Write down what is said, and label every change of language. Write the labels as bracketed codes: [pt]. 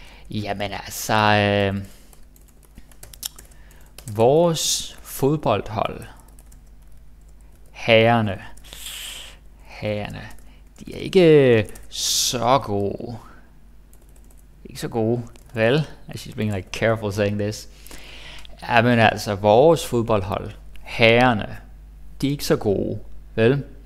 [da] Jamen altså, vores fodboldhold, herrerne, de er ikke så gode. Ikke så gode. [en] Vel, well, she's being like careful saying this. [da] Ja, men altså, vores fodboldhold, herrerne, de er ikke så gode, vel?